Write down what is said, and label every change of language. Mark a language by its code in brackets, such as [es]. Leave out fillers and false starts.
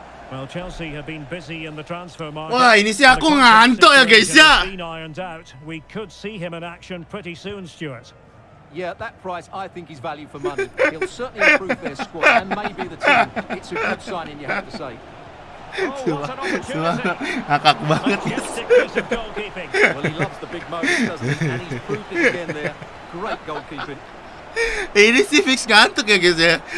[en] Well, Chelsea have been busy in the transfer market. [id] Wah, ini sih aku ngantuk ya, guys ya. [en] We could see him in action pretty soon, Stuart. Yeah, that price I think is value for money. He'll certainly improve their squad and maybe the team. It's a good signing, you have to say. [id] Hakak banget. [en] Well, he loves the big moments, doesn't he? And he's proved it again there. Great goalkeeping. [id] Ini sih fix ngantuk ya, guys ya.